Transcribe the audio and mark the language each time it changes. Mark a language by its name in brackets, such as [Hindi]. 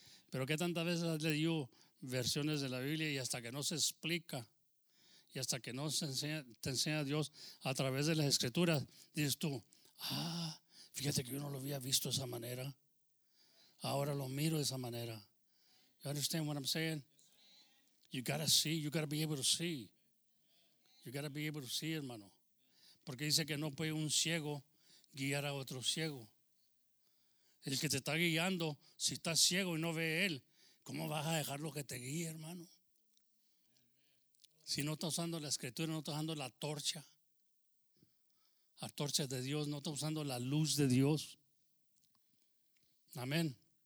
[Spanish] Pero qué tantas veces has leído versiones de la Biblia y hasta que no se explica y hasta que no te enseña Dios a través de las Escrituras, dices tú, ah, fíjate que yo no lo había visto de esa manera. Ahora lo miro de esa manera. [English] You understand what I'm saying? You gotta see, you gotta be able to see. You gotta be able to see, hermano. [Spanish] Porque dice que no puede un ciego guiar a otro ciego. El que te está guiando, si está ciego y no ve él, ¿cómo vas a dejarlo que te guíe, hermano? Si no está usando la Escritura, no está usando la torcha. La torcha de Dios, no está usando la luz de Dios. Amén.